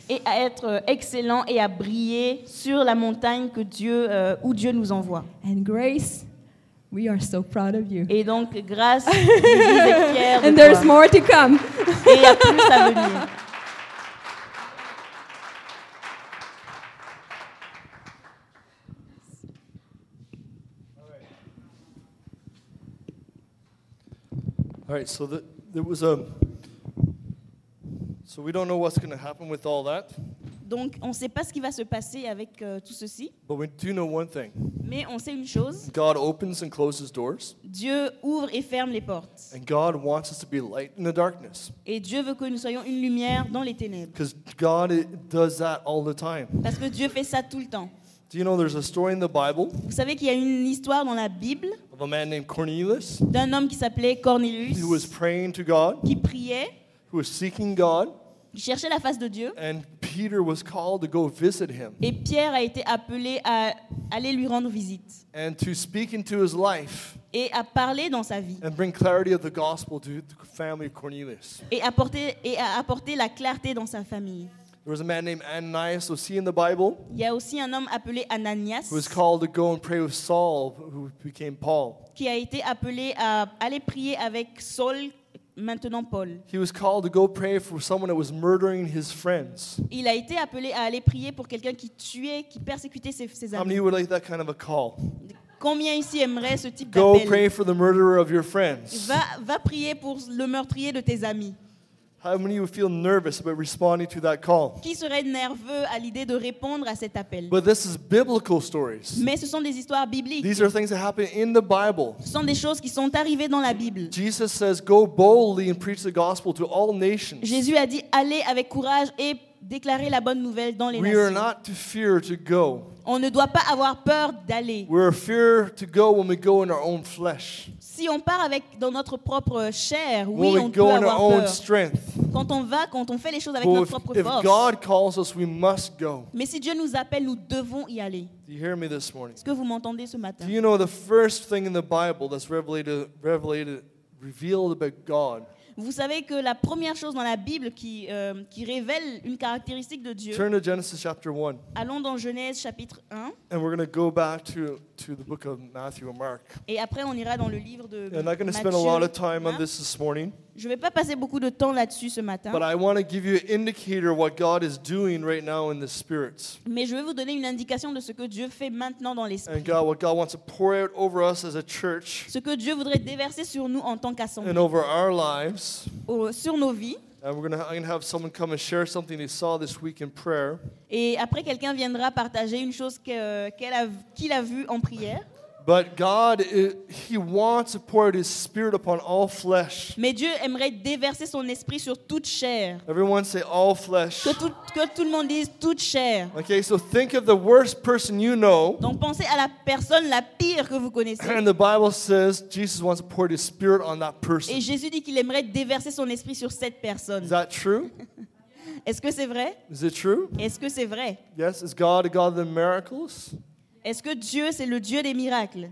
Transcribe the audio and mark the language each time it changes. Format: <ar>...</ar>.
<fr>Et à être excellent et à briller sur la montagne que Dieu où Dieu nous envoie.</fr> <en>And Grace, We are so proud of you.</en> <fr>Et donc, grâce, nous sommes fiers de toi.</fr> <en>And there's more to come.</en> <fr>Et il y a plus à venir.</fr> <en>All right, so there was a. So we don't know what's going to happen with all that.</en> <fr>Donc, on ne sait pas ce qui va se passer avec tout ceci.</fr> <en>But we do know one thing.</en> <fr>Mais on sait une chose.</fr> <en>God opens and closes doors.</en> <fr>Dieu ouvre et ferme les portes.</fr> <en>And God wants us to be light in the darkness.</en> <fr>Et Dieu veut que nous soyons une lumière dans les ténèbres.</fr> <en>Because God does that all the time.</en> <fr>Parce que Dieu fait ça tout le temps.</fr> <en>Do you know there's a story in the Bible?</en> <fr>Vous savez qu'il y a une histoire dans la Bible.</fr> <en>Of a man named Cornelius.</en> <fr>D'un homme qui s'appelait Cornelius.</fr> <en>Who was praying to God.</en> <fr>Qui priait.</fr> <en>Who was seeking God.</en> <fr>Qui cherchait la face de Dieu.</fr> <en>And Peter was called to go visit him.</en> <fr>Et Pierre a été appelé à aller lui rendre visite.</fr> <en>And to speak into his life.</en> <fr>Et à parler dans sa vie.</fr> <en>And bring clarity of the gospel to the family of Cornelius.</en> <fr>Et apporter la clarté dans sa famille.</fr> <en>There was a man named Ananias</en> <fr>aussi</fr> <en>in the Bible.</en> <fr>Il y a aussi un homme appelé Ananias.</fr> <en>Who was called to go and pray with Saul, who became Paul.</en> <fr>Qui a été appelé à aller prier avec Saul, maintenant Paul.</fr> <en>He was called to go pray for someone that was murdering his friends.</en> <fr>Il a été appelé à aller prier pour quelqu'un qui tuait, qui persécutait ses amis.</fr> <en>How many would like that kind of a call?</en> <fr>Combien ici aimerait ce type d'appel?</fr> <en>Go pray for the murderer of your friends.</en> <fr>Va prier pour le meurtrier de tes amis.</fr> <en>How many would feel nervous about responding to that call?</en> <fr>Qui serait nerveux à l'idée de répondre à cet appel?</fr> <en>But this is biblical stories.</en> <fr>Mais ce sont des histoires bibliques.</fr> <en>These are things that happen in the Bible.</en> <fr>Ce sont des choses qui sont arrivées dans la Bible.</fr> <en>Jesus says, "Go boldly and preach the gospel to all nations."</en> <fr>Jésus a dit, allez avec courage et déclarez la bonne nouvelle dans les</fr> <en>nations. We are not to fear to go.</en> <fr>On ne doit pas avoir peur d'aller.</fr> <en>We are fear to go when we go in our own flesh.</en> <fr>Si on part avec dans notre propre chair, oui,</fr> <en>when</en> <fr>on peut avoir</fr> <en>our</en> <fr>peur.</fr> <en>Own strength.</en> <fr>Quand on va, quand on fait les choses avec notre propre force.</fr> <en>If God calls us, we must go.</en> <fr>Mais si Dieu nous appelle, nous devons y aller.</fr> <en>Do you hear me this morning?</en> <fr>Est-ce que vous m'entendez ce matin?</fr> <en>Do you know the first thing in the Bible that's revealed about God?</en> <fr>Vous savez que la première chose dans la Bible qui révèle une caractéristique de Dieu.</fr> <en>Turn to Genesis chapter 1.</en> <fr>Allons dans Genèse chapitre 1.</fr> <en>And we're going to go back to the book of Matthew and Mark.</en> <fr>Et après on ira dans le livre de Matthieu.</fr> <en>And I'm going to spend a lot of time on this morning.</en> <fr>Je vais pas passer beaucoup de temps là-dessus ce matin.</fr> <en>But I want to give you an indicator of what God is doing right now in the spirits.</en> <fr>Mais je vais vous donner une indication de ce que Dieu fait maintenant dans l'esprit.</fr> <en>And God, what God wants to pour out over us as a church.</en> <fr>Ce que Dieu voudrait déverser sur nous en tant qu'assemblée.</fr> <en>And over our lives.</en> <fr>Sur nos vies.</fr> <en>And I'm gonna have someone come and share something they saw this week in prayer.</en> <fr>Et après quelqu'un viendra partager une chose qu'il a vu en prière.</fr> <en>But God, He wants to pour His Spirit upon all flesh.</en> <fr>Mais Dieu aimerait déverser son esprit sur toute chair.</fr> <en>Everyone say all flesh.</en> <fr>Que tout le monde dise toute chair.</fr> <en>Okay, so think of the worst person you know.</en> <fr>Donc pensez à la personne la pire que vous connaissez.</fr> <en>And the Bible says Jesus wants to pour His Spirit on that person.</en> <fr>Et Jésus dit qu'il aimerait déverser son esprit sur cette personne.</fr> <en>Is that true?</en> <fr>Est-ce que c'est vrai?</fr> <en>Is it true?</en> <fr>Est-ce que c'est vrai?</fr> <en>Yes, is God a God of the miracles?</en> <fr>Est-ce que Dieu c'est le Dieu des miracles?</fr>